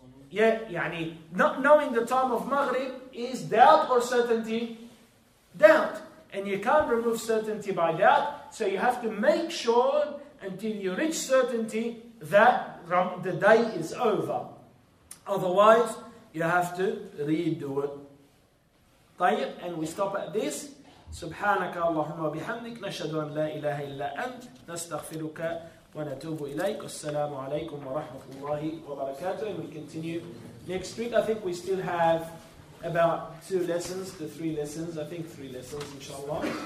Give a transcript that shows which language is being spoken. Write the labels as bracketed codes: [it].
[en] yeah, يعني not knowing the time of Maghrib is doubt or certainty? Doubt. And you can't remove certainty by doubt. So you have to make sure until you reach certainty that the day is over. Otherwise, you have to redo it. طيب, and we stop at this. [ar] سبحانك اللهم وبحمدك نشهد أن لا إله إلا أنت نستغفرك ونتوب إليك السلام عليكم ورحمة الله وبركاته. [en] And we continue next week. I think we still have about 2 lessons to 3 lessons. I think 3 lessons, inshallah.